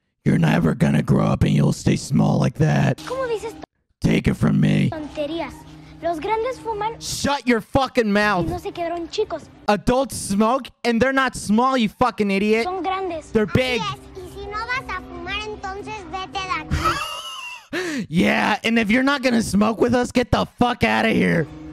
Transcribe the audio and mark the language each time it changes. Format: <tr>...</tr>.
<en>You're never gonna grow up and you'll stay small like that.</en> <es>¿Cómo dices?</es> <en>Take it from me.</en> <es>Tonterías. Los grandes fuman.</es> <en>Shut your fucking mouth.</en> <es>Y no se quedaron chicos.</es> <en>Adults smoke and they're not small, you fucking idiot.</en> <es>Son grandes.</es> <en>They're big.</en> <es>Y si no vas a fumar, entonces vete de aquí.</es> <en>Yeah, and if you're not gonna smoke with us, get the fuck out of here.</en>